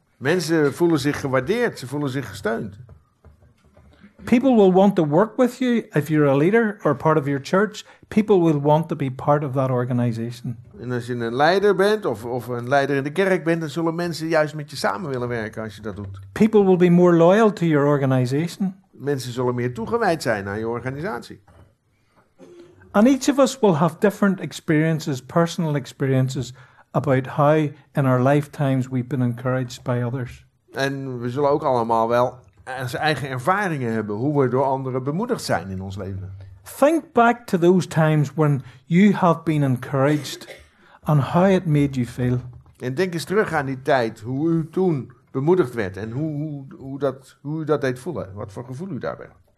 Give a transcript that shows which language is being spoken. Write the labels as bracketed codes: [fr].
[nl] Mensen voelen zich gewaardeerd, ze voelen zich gesteund. [en] People will want to work with you if you're a leader or part of your church. People will want to be part of that organization. [nl] En als je een leider bent of een leider in de kerk bent, dan zullen mensen juist met je samen willen werken als je dat doet. [en] People will be more loyal to your organization. [nl] Mensen zullen meer toegewijd zijn aan je organisatie. [en] And each of us will have different experiences, personal experiences, about how in our lifetimes we've been encouraged by others. [nl] En we zullen ook allemaal wel onze eigen ervaringen hebben hoe we door anderen bemoedigd zijn in ons leven. [en] Think back to those times when you have been encouraged and how it made you feel. [nl] En denk eens terug aan die tijd hoe u toen bemoedigd werd en hoe u dat deed voelen. Wat voor gevoel u daarbij had.